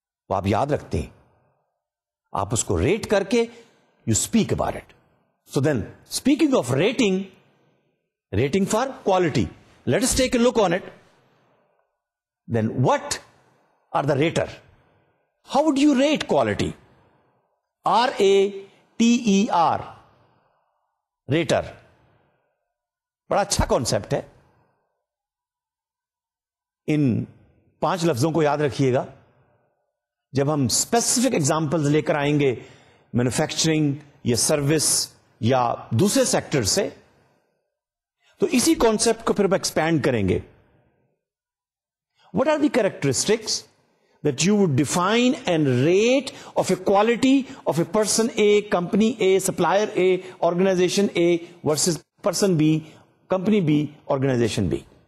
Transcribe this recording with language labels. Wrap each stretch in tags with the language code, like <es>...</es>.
<ur>وہ آپ یاد رکھتے ہیں, آپ اس کو ریٹ کر کے</ur> <en>You speak about it. So then speaking of rating, rating for quality, let us take a look on it. Then what are the rater, how do you rate quality, R A T E R, rater,</en> <ur>بڑا اچھا concept ہے. ان پانچ لفظوں کو یاد رکھیے گا جب ہم اسپیسیفک ایگزامپلز لے کر آئیں گے مینوفیکچرنگ یا سروس یا دوسرے سیکٹر سے, تو اسی کانسیپٹ کو پھر ہم ایکسپینڈ کریں گے.</ur> <en>What are the characteristics that you would define and rate of a quality of a person A, company A, supplier A, organisation A versus person B, company B, organisation B.</en>